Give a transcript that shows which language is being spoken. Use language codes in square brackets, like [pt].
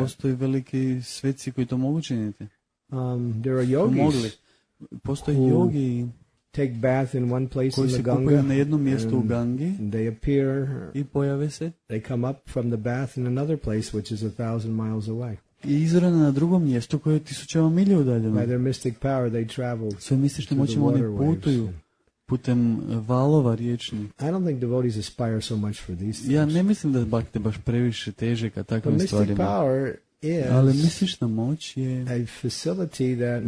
[hr] Postoje veliki sveci koji to mogu činiti. [en] There are yogis. [hr] Postoje jogi [en] take bath in one place [hr] koji [en] in the Ganga, [hr] kupaju na jednom mjestu u Gangi, [en] they appear, [hr] i pojave se. [en] They come up from the bath in another place which is 1,000 miles away. [hr] I izrana na drugom mjestu koje je tisućama milja udaljeno. [en] By their mystic power they travel. [hr] Svojim mističnim moćima oni putuju putem valova riječnih. [en] I don't think devotees aspire so much for these things. [hr] Ja ne mislim da bhakti baš previše teže ka takvim stvarima. [en] Power, [hr] ali mistična moć je [en] a facility that